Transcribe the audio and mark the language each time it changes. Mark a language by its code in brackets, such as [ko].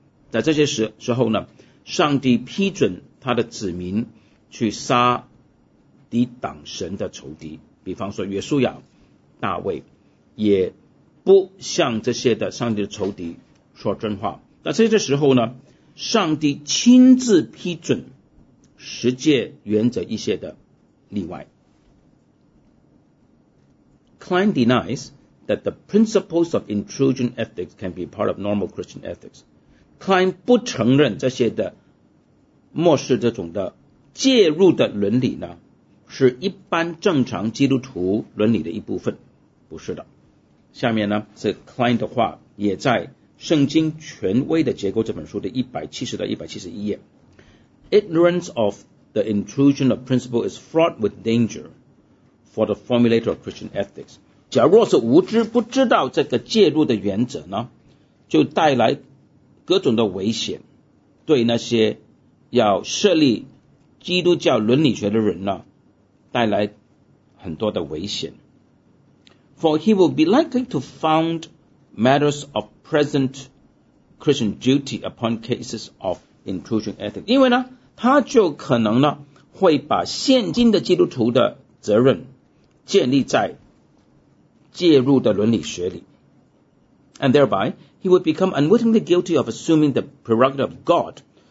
[zh] 在这些时候呢，上帝批准他的子民去杀抵挡神的仇敌，比方说约书亚、大卫，也不向这些的上帝的仇敌说真话。那在这时候呢，上帝亲自批准十诫原则一些的例外。 [en] Klein denies that the principles of intrusion ethics can be part of normal Christian ethics. [zh] Klein 不承认这些的漠视这种的介入的伦理呢是一般正常基督徒伦理的一部分，不是的。下面呢是 Klein 的话，也在圣经权威的结构这本书的170到171页。 [en] Ignorance of the intrusion of principle is fraught with danger for the formulator of Christian ethics. [zh] 假若是无知不知道这个介入的原则呢，就带来各种的危险，对那些要设立基督教伦理学的人呢带来很多的危险。 [en] For he will be likely to found matters of present Christian duty upon cases of intrusion ethics. [zh] 因为呢他就可能呢会把现今的基督徒的责任建立在介入的伦理学里。 [en] And thereby he would become unwittingly guilty of assuming the prerogative of God.